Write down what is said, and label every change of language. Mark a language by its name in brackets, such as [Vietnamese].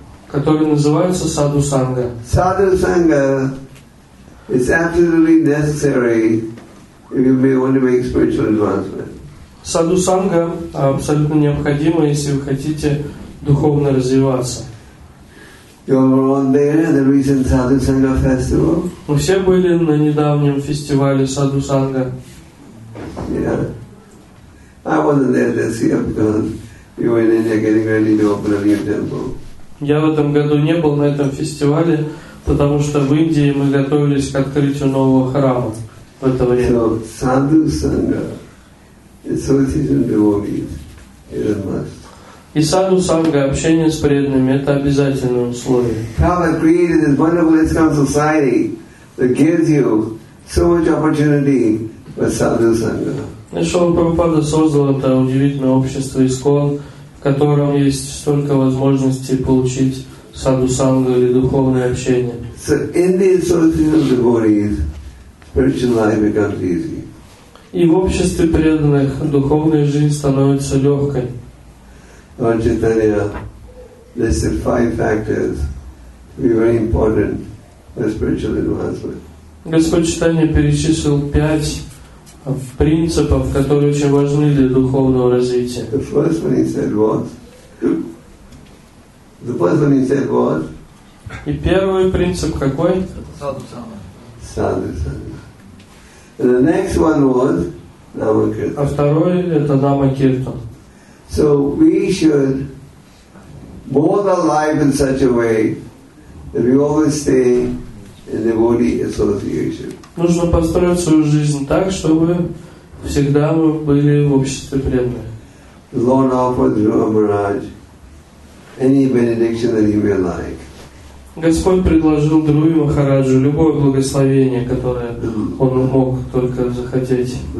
[Russian] Который называется Саду Санга. [English] Саду Санга is absolutely necessary if you may want to make spiritual advancement. [Russian] Саду Санга абсолютно необходима, если вы хотите духовно развиваться. [English] You were all there at the recent Sadhu Sangha festival. [Russian] Мы все были на недавнем фестивале Sadhu Sangha. [English] Yeah. I wasn't there this year because we were in India getting ready to open a new temple. [Russian] Я в этом году не был на этом фестивале, потому что в Индии мы готовились к открытию нового храма. В это время. [English] So Sadhu Sangha, association with devotees, is a must. [Russian] И саду санга, общение с преданными, это обязательное условие. [English] Prabhupada created this wonderful ISKCON society that gives you so much opportunity for sadhu sangha. [Russian] Ишвара Прабхупада создал это удивительное общество ISKCON, в котором есть столько возможностей получить саду сангу или духовное общение. [English] So in the association of devotees, spiritual life becomes easy. [Russian] И в обществе преданных духовная жизнь становится легкой. [English] Lord Chaitanya listed five factors to be very important for spiritual advancement. [Russian] Господь Читания перечислил пять принципов, которые очень важны для духовного развития. [English] The first one he said was. The first one he said was. [Russian] И первый принцип какой? Садху-санга. Садху-санга. [English] The next one was Dhamma Kirtan. [Russian] А второй это Dhamma Kirtan. [English] So we should both alive in such a way that we always stay in devotee association. [Russian] Нужно построить свою жизнь так, чтобы всегда мы были в обществе преданных. [English] The Lord offers Dhruva Maharaj any benediction that he may like. [Russian] Господь предложил Друи Махараджу любое благословение, которое он мог только захотеть.